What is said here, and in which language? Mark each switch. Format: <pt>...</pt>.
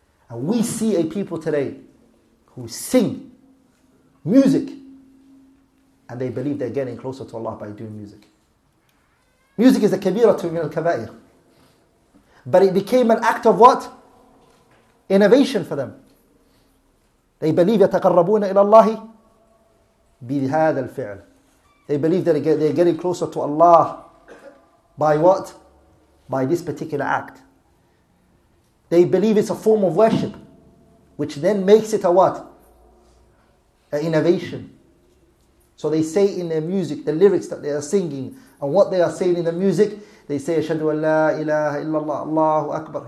<en>And we see a people today who sing music and they believe they're getting closer to Allah by doing music. Music is a kabira to min al-kaba'ir. But it became an act of what? Innovation for them. They believe</en> <ar>يَتَقَرَّبُونَ إِلَى اللَّهِ بِهَذَا الْفِعْلِ.</ar> <en>They believe that they're getting closer to Allah by what? By this particular act. They believe it's a form of worship, which then makes it a what? An innovation. So they say in their music, the lyrics that they are singing, and what they are saying in the music, they say,</en> <ar>أَشْهَدُ أَنْ لَا إِلَهَ إِلَّا اللَّهُ اللَّهُ أَكْبَرُ.</ar>